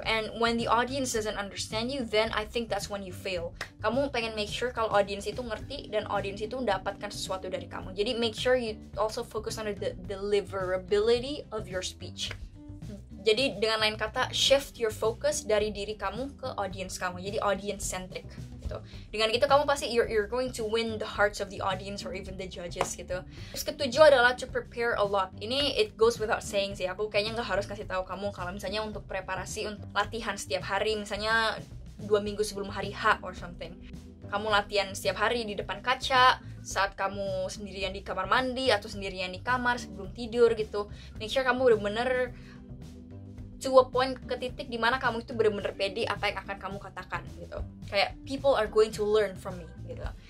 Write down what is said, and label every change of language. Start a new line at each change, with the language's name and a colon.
English: And when the audience doesn't understand you, then I think that's when you fail.
Indonesian: Kamu pengen make sure kalau audience itu ngerti dan audience itu mendapatkan sesuatu dari kamu.
English: Jadi make sure you also focus on the deliverability of your speech.
Indonesian: Jadi dengan lain kata, shift your focus dari diri kamu ke audience kamu. Jadi audience centric gitu.
English: Dengan gitu kamu pasti you're going to win the hearts of the audience or even the judges gitu. Terus ketujuh adalah to prepare a lot. Ini it goes without saying sih.
Indonesian: Aku kayaknya enggak harus kasih tahu kamu kalau misalnya untuk preparasi untuk latihan setiap hari misalnya 2 minggu sebelum hari H or something. kamu latihan setiap hari di depan kaca, saat kamu sendirian di kamar mandi atau sendirian di kamar sebelum tidur gitu. Make sure kamu benar-benar to a point, ke titik di mana kamu itu benar-benar pede apa yang akan kamu katakan gitu.
English: Kayak people are going to learn from me gitu.